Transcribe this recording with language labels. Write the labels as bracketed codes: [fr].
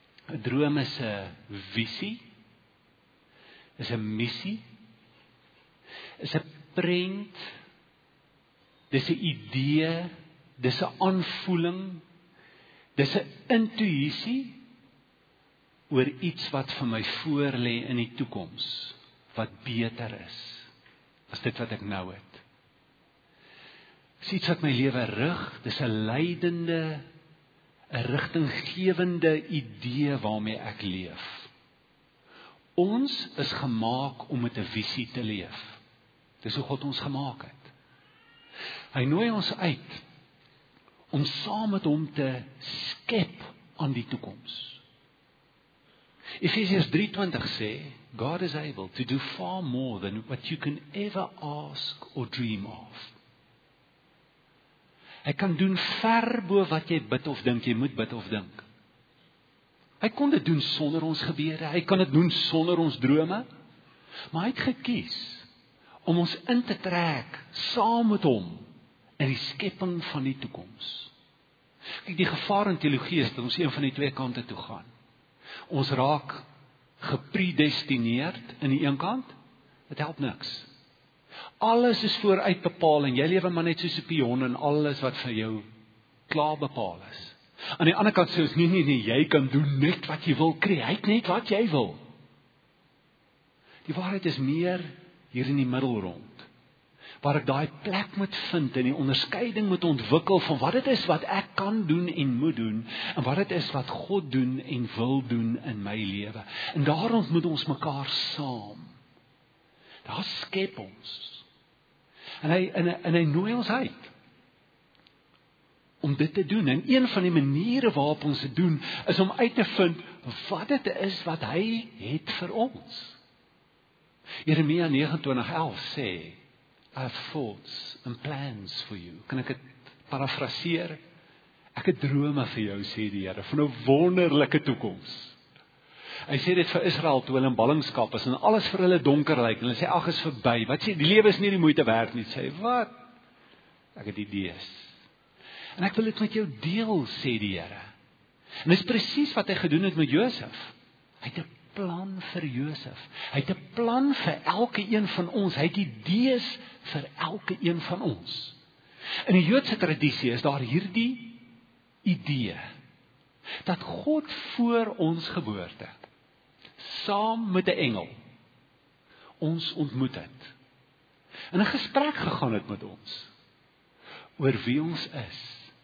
[af] 'N Droom is 'n visie, is 'n missie, is 'n prent, dis 'n idee, dis 'n aanvoeling, dis 'n intuïsie oor iets wat vir my voorlê in die toekoms, wat beter is as dit wat ek nou het. Dis iets wat my lewe rig, dis 'n leidende, 'n rigtinggewende idee waarmee ek leef. Ons is gemaak om met 'n visie te leef. Dis hoe God ons gemaak het. Hy nooi ons uit om saam met hom te skep aan die toekoms. Efesiërs 3:20 sê, [en] God is able to do far more than what you can ever ask or dream of. [af] Hy kan doen ver bo wat jy bid of dink, jy moet bid of dink. Hy kon dit doen sonder ons gebede, hy kan dit doen sonder ons drome, maar hy het gekies om ons in te trek saam met hom in die skepping van die toekoms. Kyk, die gevaar in teologie is dat ons een van die twee kante toe gaan. Ons raak gepredestineerd in die een kant, dit help niks. Alles is vooruit bepaal en jy lewe maar net soos 'n pion en alles wat vir jou klaar bepaal is. Aan die ander kant sê ons nee, jy kan doen net wat jy wil, kreeit net wat jy wil. Die waarheid is meer hier in die middel rond, waar ek daai plek moet vind en die onderskeiding moet ontwikkel van wat dit is wat ek kan doen en moet doen en wat dit is wat God doen en wil doen in my lewe. En daarom moet ons mekaar saam. Daar skep ons. En hy nooi ons uit om dit te doen. En een van die maniere waarop ons dit doen, is om uit te vind wat dit is wat hy het vir ons. Jeremia 29:11 sê, [en] I have thoughts and plans for you. [af] Kan ek het parafraseer? Ek het drome vir jou, sê die Here, van 'n wonderlike toekoms. Hy sê dit vir Israel toe hulle in ballingskap is en alles vir hulle donker lyk en hulle sê ag is verby. Wat sê die lewe is nie die moeite werd nie, sê wat? Ek het idees. En ek wil dit met jou deel, sê die Here. En dis presies wat hy gedoen het met Josef. Hy het 'n plan vir Josef. Hy het 'n plan vir elke een van ons. Hy het idees vir elke een van ons. In die Joodse tradisie is daar hierdie idee dat God voor ons geboorte saam met 'n engel ons ontmoet het en 'n gesprek gegaan het met ons oor wie ons is,